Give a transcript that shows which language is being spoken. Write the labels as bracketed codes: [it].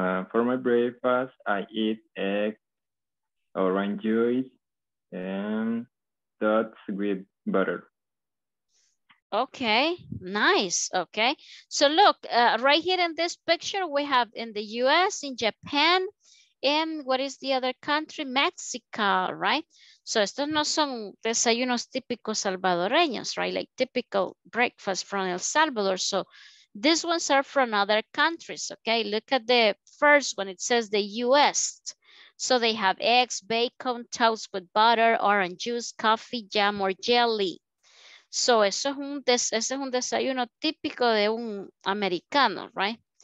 [en] For my breakfast I eat egg, orange juice, and dots with butter. Okay, nice. Okay. So look, right here in this picture we have in the US, in Japan. And what is the other country? Mexico, right? [es] So estos no son desayunos típicos salvadoreños, right? [en] Like typical breakfast from El Salvador. So these ones are from other countries, okay? Look at the first one. It says the U.S. So they have eggs, bacon, toast with butter, orange juice, coffee, jam, or jelly. [es] So eso es un desayuno típico de un americano, right?